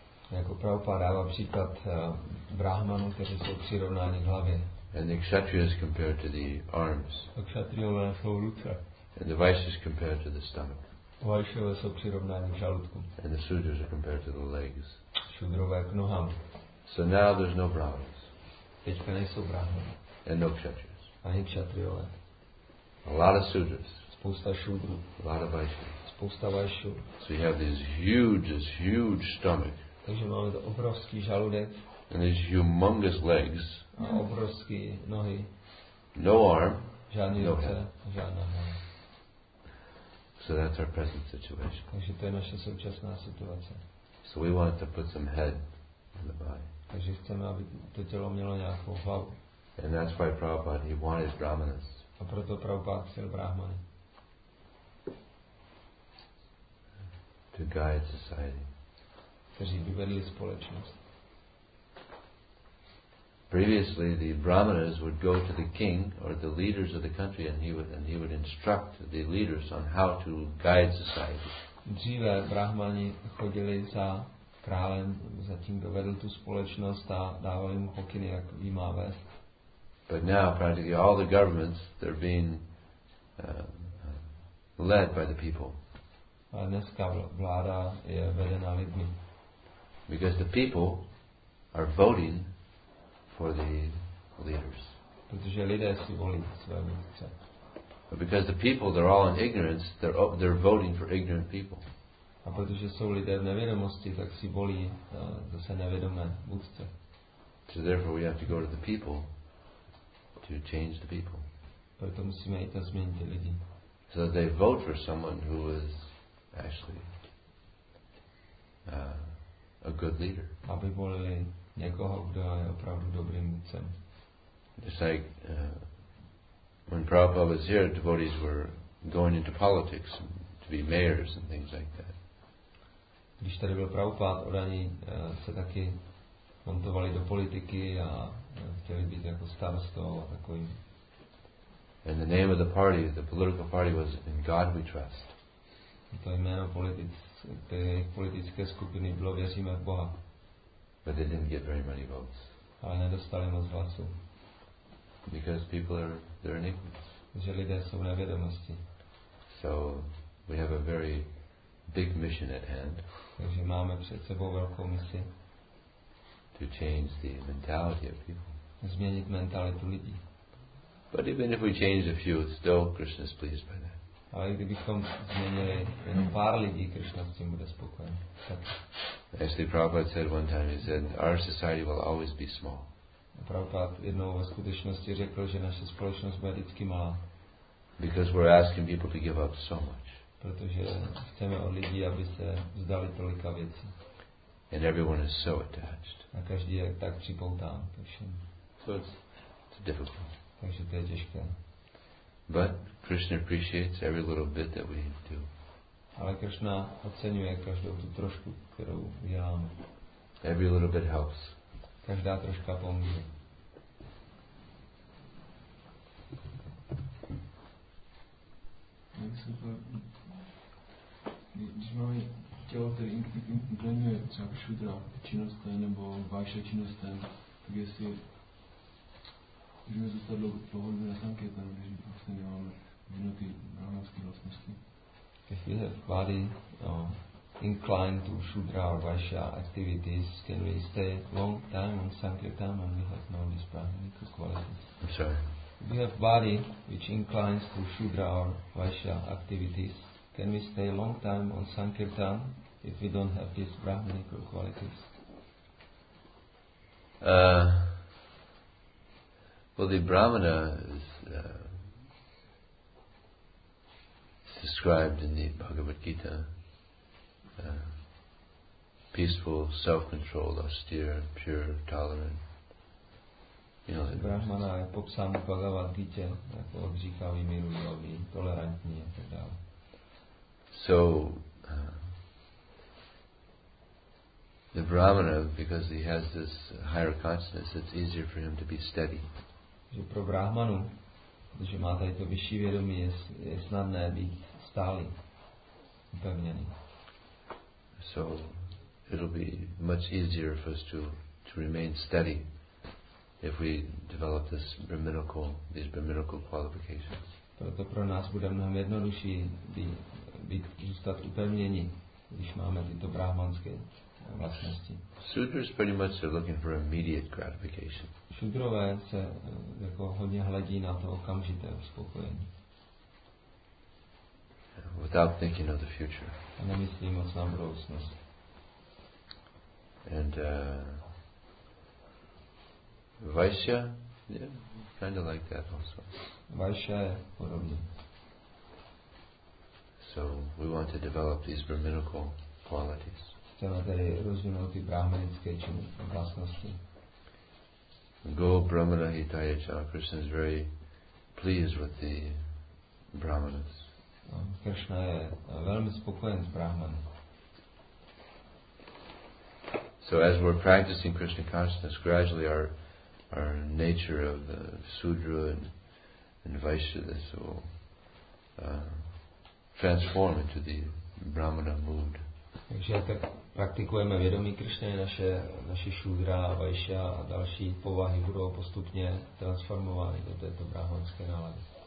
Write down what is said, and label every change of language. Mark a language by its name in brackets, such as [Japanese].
[Czech] Jako Prabhupada dává příklad brahmanů, kteří jsou přirovnáni k hlavě. [English] And the kshatriyas compared to the arms. [Czech] A kshatriyové jsou ruce. [English] And the vaishyas compared to the stomach. [Czech] Vaishyové jsou přirovnáni k žaludku. [English] And the sudras are compared to the legs. [Czech] Sudrové k nohám. [English] So now there's no brahmanas. [Czech] Teďka nejsou brahmany. [English] And no kshatriyas. [Czech] Ani kshatriyové. [English] A lot of sudras. [Czech] Spousta šudrů. [English] A lot of vaishyas. [Czech] Spousta vaishyů. [English] So you have this huge stomach. [Czech] Takže máme to obrovský žaludek. [English] And these humongous legs. [Czech] A obrovský nohy. [English] No arm. [Czech] Žádný [English] no [Czech] ruce, žádná hlava. [English] So that's our present situation. [Czech] Takže to je naše současná situace. [English] So we want to put some head in the body. [Czech] Takže chceme, aby to tělo mělo nějakou hlavu. [English] And that's why Prabhupada, he wanted brahmanas. [Czech] A proto Prabhupada chtěl brahmany. [English] To guide society. [Czech] Kteří by vedli společnost. [English] Previously, the brahmanas would go to the king or the leaders of the country, and he would instruct the leaders on how to guide society. [Czech] Dříve brahmani chodili za králem, za tím, kdo vedl tu společnost, a dávali mu pokyny, jak jí má vést. [English] But now, practically all the governments, they're being led by the people. [Czech] A dneska vláda je vedena lidmi. [English] Because the people are voting for the leaders. [Czech] Protože lidé si volí své vůdce. [English] But because the people, they're all in ignorance, they're voting for ignorant people. [Czech] A protože jsou lidé v nevědomosti, tak si volí zase nevědomé vůdce. [English] So therefore we have to go to the people to change the people. [Czech] Proto musíme jít a změnit lidi. [English] So that they vote for someone who is actually a good leader. [Czech] Aby volili někoho, kdo je opravdu dobrým vůdcem. [English] Just like when Prabhupada was here, devotees were going into politics to be mayors and things like that. [Czech] Když tady byl Prabhupada, oraní se taky montovali do politiky a chtěli být jako starostou a takový. [English] And the name of the party, the political party, was In God We Trust. [Czech] To jméno politické skupiny bylo Věříme v Boha. [English] But they didn't get very many votes. [Czech] Ale nedostali moc hlasů. [English] Because people are they're in ignorance. [Czech] Že lidé jsou nevědomosti. [English] So we have a very big mission at hand. [Czech] Takže máme před sebou velkou misi. [English] To change the mentality of people. [Czech] Změnit mentalitu lidí. [English] But even if we change a few, still Krishna is pleased by that. [Czech] Ale kdybychom změnili jen pár lidí, Krishna s tím bude spokojen. Tak. [English] Actually, Prabhupada said one time, he said, our society will always be small. [Czech] Prabhupada jednou ve skutečnosti řekl, že naše společnost bude vždycky malá. [English] Because we're asking people to give up so much. [Czech] Protože chceme od lidí, aby se vzdali tolika věcí. [English] And everyone is so attached. [Czech] A každý je tak připoután ke všem. [English] So it's difficult. [Czech] Takže to je těžké. [English] But Krishna appreciates every little bit that we do. [Czech] Ale Krishna oceňuje každou tu trošku, kterou děláme. [English] Every little bit helps. [Czech] Každá troška pomůže. Když máme tělo, které inklinuje třeba šudra činnosti nebo vajša činnosti, tak jestli můžeme zůstat dlouho na sankirtanu, když vlastně nemáme vyvinuté brahmanské vlastnosti. [English] If you have body inclined to shudra or vaisha activities, can we stay long time on sankirtan when we have no disparamita qualities? I'm sorry. If you have body which inclines to shudra or vaisha activities, can we stay long time on sankirtan if we don't have these brahmanical qualities? Well, the brahmana is described in the Bhagavad Gita. Peaceful, self-controlled, austere, pure, tolerant. You know, [Czech] brahmana je popsán v Bhagavad Gita ako obžíkavý, milujúcy, tolerantný a tak ďalej. [English] So the brahmana, because he has this higher consciousness, it's easier for him to be steady. [Czech] Že pro brahmanu, že má tady to vyšší vědomí, je snadné být stálý, upevněný. [English] So it'll be much easier for us to remain steady if we develop this brahminical qualifications. [Czech] Proto pro nás bude mnohem jednodušší zůstat upevnění, když máme tyto brahmanské vlastnosti. [English] Sudras pretty much are looking for immediate gratification. [Czech] Sudrové se jako hodně hledí na to okamžité uspokojení. [English] Without thinking of the future. [Czech] A nemyslí moc na budoucnost. [English] And Vaishya, yeah, kind of like that also. [Czech] Vaishya je podobný. [English] So we want to develop these brahminical qualities. [Czech] Chceme tedy rozvinout ty brahmanické vlastnosti. [Sanskrit] Go brahmana hitaya cha. [English] Krishna is very pleased with the brahmanas. [Czech] Krishna je velmi spokojen s brahmany. [English] So as we're practicing Krishna consciousness, gradually our nature of the sudra and vaishya this will transform into the brahmana mood. [Czech] Takže tak praktikujeme vědomí Krishna, naše šudra, vaishya a další povahy budou postupně transformovány do této brahmanské nálady.